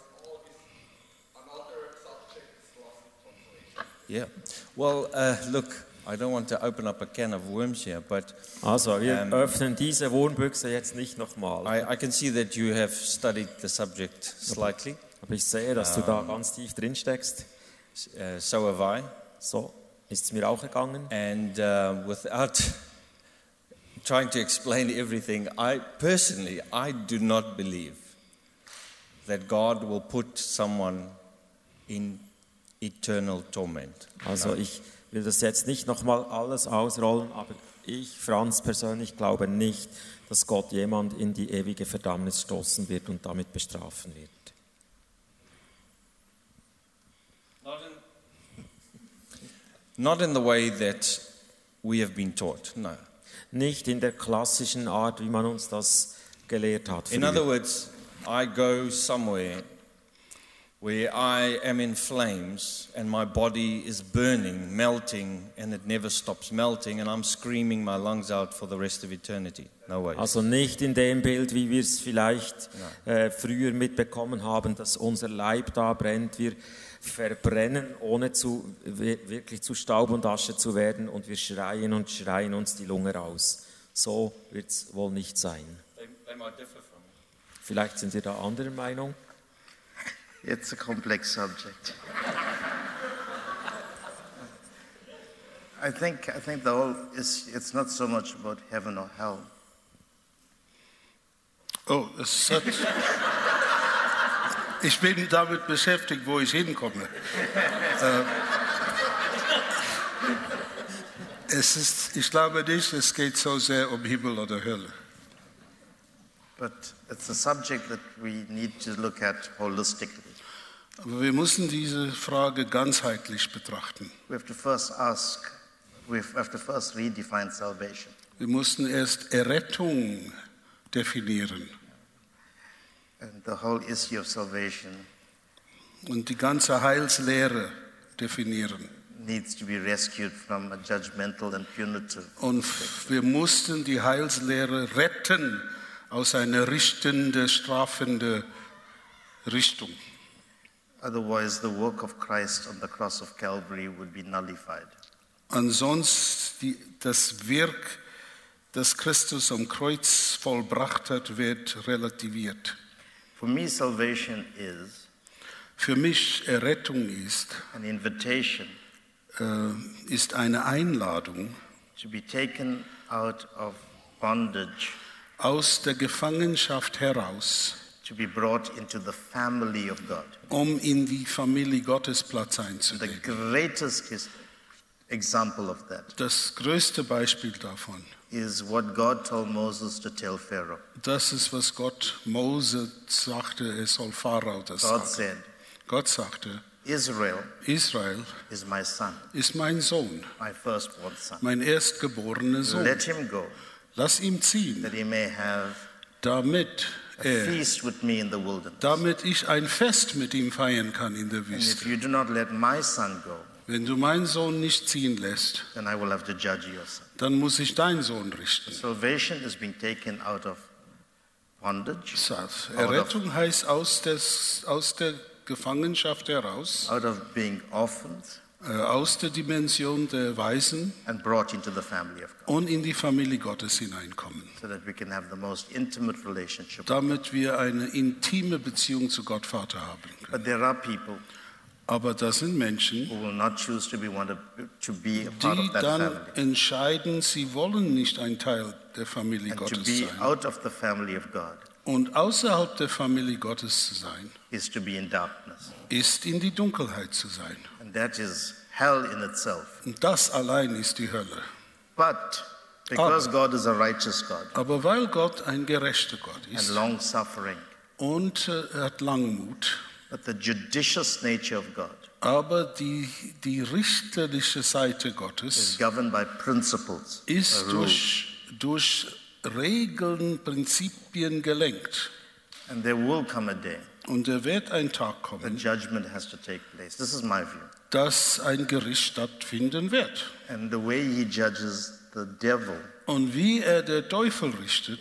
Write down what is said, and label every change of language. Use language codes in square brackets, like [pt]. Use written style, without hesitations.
[en] All these, another subject is lost from Yeah. Well, look, I don't want to open up a can of worms here, but [de] also, wir öffnen diese Wohnbüchse jetzt nicht nochmal. [en] I can see that you have studied the subject slightly. [de] Aber ich sehe, dass du da ganz tief drin steckst. [en] So have I. [de] So ist es mir auch gegangen. [en] And without trying to explain everything, I personally do not believe that God will put someone in eternal torment. [de] Also ich will das jetzt nicht nochmal alles ausrollen, aber ich, Franz, persönlich glaube nicht, dass Gott jemand in die ewige Verdammnis stoßen wird und damit bestrafen wird. [en] Not in the way that we have been taught, no. [de] Nicht in der klassischen Art, wie man uns das gelehrt hat. [en] In other words, I go somewhere where I am in flames and my body is burning, melting, and it never stops melting, and I'm screaming my lungs out for the rest of eternity. No way. [de] Also nicht in dem Bild, wie wir es vielleicht früher mitbekommen haben, dass unser Leib da brennt, wir verbrennen, ohne wirklich zu Staub und Asche zu werden, und wir schreien und schreien uns die Lunge raus. So wird es wohl nicht sein. Vielleicht sind wir da anderer Meinung. [en] It's a complex subject. I think the whole is, it's not so much about heaven or hell. Oh, it's such. [de] Ich bin damit beschäftigt, wo ich hinkomme. Es ist, ich glaube nicht, es geht so sehr um Himmel oder Hölle. [en] But it's a subject that we need to look at holistically. [de] Aber wir müssen diese Frage ganzheitlich betrachten. [en] We have to first ask, we have to first redefine salvation. [de] Wir müssen erst Errettung definieren. [en] And the whole issue of salvation. [de] Und die ganze Heilslehre definieren. [en] Needs to be rescued from a judgmental and punitive. [de] Und wir mussten die Heilslehre retten aus einer richtenden, strafenden Richtung. [en] Otherwise, the work of Christ on the cross of Calvary would be nullified. [de] Ansonsten, das Werk, das Christus am Kreuz vollbracht hat, wird relativiert. [en] For me, salvation is. [de] Für mich Errettung ist. [en] An invitation. [de] Ist eine Einladung. [en] To be taken out of bondage. [de] Aus der Gefangenschaft heraus. [en] To be brought into the family of God. [de] Um in die Familie Gottes Platz einzunehmen. [en] The greatest example of that. [de] Das größte Beispiel davon. [en] Is what God told Moses to tell Pharaoh. [de] Das ist, was Gott Mose sagte, er soll Pharao das [en] God Said, [de] Gott sagte, [en] Israel is my son. [de] Ist mein Sohn. [en] My firstborn son. [de] Mein erstgeborener Sohn. [en] Let him go. [de] Lass ihn ziehen. [en] That he may have [de] damit [en] a feast with me in the wilderness. [de] Damit ich ein Fest mit ihm feiern kann in der Wüste. [en] And if you do not let my son go, [de] wenn du meinen Sohn nicht ziehen lässt, [en] then I will have to judge your son. [de] Dann muss ich deinen Sohn richten. [en] Salvation has been taken out of bondage. [de] Errettung heißt aus der Gefangenschaft heraus. [en] Out of being orphaned. [de] Aus der Dimension der Waisen. [en] And brought into the family of God. [de] Und in die Familie Gottes hineinkommen. [en] So that we can have the most intimate relationship. [de] Damit wir eine intime Beziehung zu Gott Vater haben können. [en] But there are people. [de] Aber das sind Menschen, die dann entscheiden, sie wollen nicht ein Teil der Familie Gottes sein. [en] Out of the family of God. [de] Und außerhalb der Familie Gottes zu sein, [en] is to be in darkness. [de] Ist in die Dunkelheit zu sein. [en] And that is hell in itself. [de] Und das allein ist die Hölle. [en] But because God is a righteous God, [de] aber weil Gott ein gerechter Gott ist [en] and long-suffering, [de] und hat Langmut, [en] but the judicious nature of God. [de] Aber die richterliche Seite Gottes [en] is governed by principles. [de] Ist durch Regeln, Prinzipien gelenkt. [en] And there will come a day. [de] Und da wird ein Tag kommen. [en] The judgment has to take place. This is my view. [de] dass ein Gericht stattfinden wird. [en] And the way he judges the devil. [de] Und wie er der Teufel richtet.